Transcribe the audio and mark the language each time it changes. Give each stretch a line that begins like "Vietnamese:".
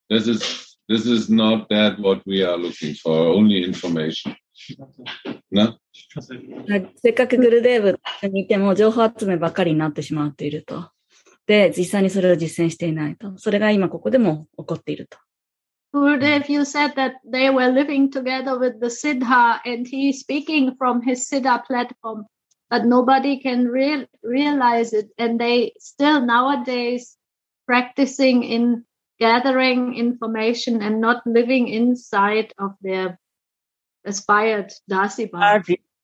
English: This is not that what we are looking for. Only information. No?
Japanese: せっかくグルデーブにいても情報集めばかりになってしまっていると、で実際にそれを実践していないと、それが今ここでも起こっていると。
English: グルデーブ、you said that they were living together with the Siddha and he is speaking from his Siddha platform, but nobody can realize it, and they still nowadays practicing in gathering information and not living inside of their aspired Dasi Bhakti.